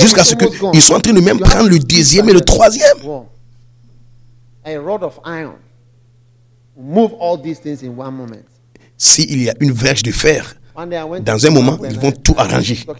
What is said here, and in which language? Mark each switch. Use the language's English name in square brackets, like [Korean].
[French] jusqu'à ce qu'ils soient en train de même prendre le deuxième et le troisième. [English] A rod of iron move all these things in one moment. [French] S'il y a une verge de fer, dans un moment, ils vont tout arranger.